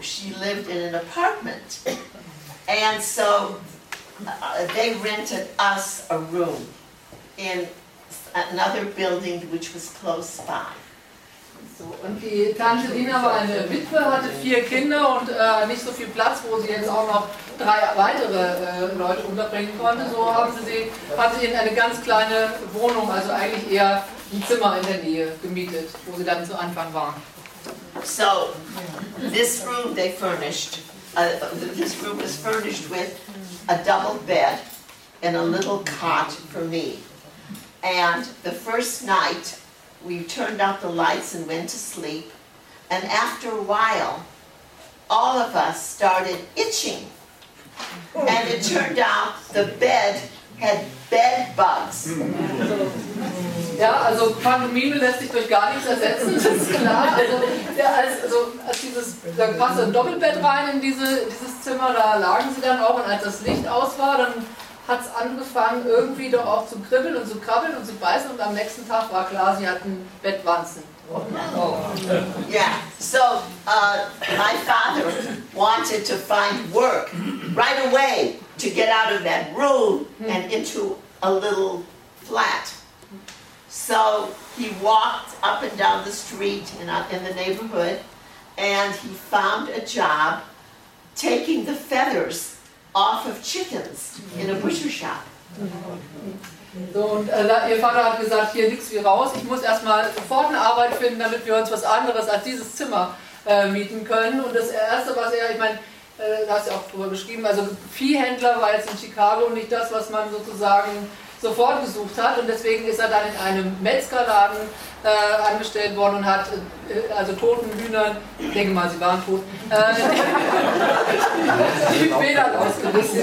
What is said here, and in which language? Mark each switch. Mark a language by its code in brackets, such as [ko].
[en] She lived in an apartment and so they rented us a room in another building which was close by. [de] So, und die Tante Dina war eine Witwe, hatte 4 Kinder und nicht so viel Platz, wo sie jetzt auch noch 3 weitere Leute unterbringen konnte. So hat sie in eine ganz kleine Wohnung, also eigentlich eher ein Zimmer in der Nähe gemietet, wo sie dann zu Anfang waren. [en] So, this room they furnished, this room was furnished with a double bed and a little cot for me. And the first night we turned out the lights and went to sleep, and after a while, all of us started itching, and it turned out the bed had bed bugs. [de] Ja, also Pantomime lässt sich durch gar nichts ersetzen, das ist klar. Also, ja, als dieses, da passte ein Doppelbett rein in dieses Zimmer, da lagen sie dann auch, und als das Licht aus war, dann hat es angefangen, irgendwie doch auch zu kribbeln und zu krabbeln und zu beißen, und am nächsten Tag war klar, sie hatten Bettwanzen. [en] Oh. Yeah, so my father wanted to find work right away to get out of that room and into a little flat. So he walked up and down the street and up in the neighborhood, and he found a job taking the feathers off of chickens in a butcher shop. [de] So, und ihr Vater hat gesagt, hier nix wie raus, ich muss erstmal sofort eine Arbeit finden, damit wir uns was anderes als dieses Zimmer mieten können. Und das Erste, was er, ich meine, da hast du ja auch drüber geschrieben, also Viehhändler war jetzt in Chicago nicht das, was man sozusagen sofort gesucht hat, und deswegen ist er dann in einem Metzgerladen angestellt worden und hat also toten Hühnern, ich denke mal, sie waren tot, die Federn ausgerissen.